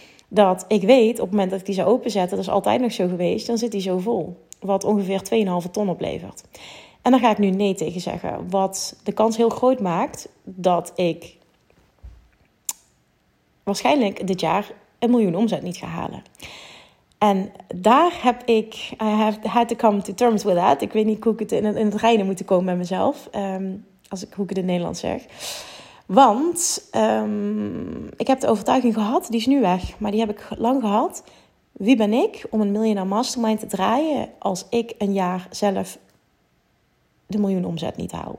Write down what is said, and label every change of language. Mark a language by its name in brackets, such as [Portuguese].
[Dutch] Dat ik weet, op het moment dat ik die zou openzetten, dat is altijd nog zo geweest, dan zit die zo vol. Wat ongeveer 2,5 ton oplevert. En daar ga ik nu nee tegen zeggen. Wat de kans heel groot maakt dat ik waarschijnlijk dit jaar 1 miljoen omzet niet ga halen. En daar heb ik, [English] I have had to come to terms with that. [Dutch] Ik weet niet hoe ik het in het reinen moet komen met mezelf. Hoe ik het in Nederland zeg. Want ik heb de overtuiging gehad, die is nu weg, maar die heb ik lang gehad. Wie ben ik om een miljonair mastermind te draaien als ik een jaar zelf de miljoen omzet niet haal?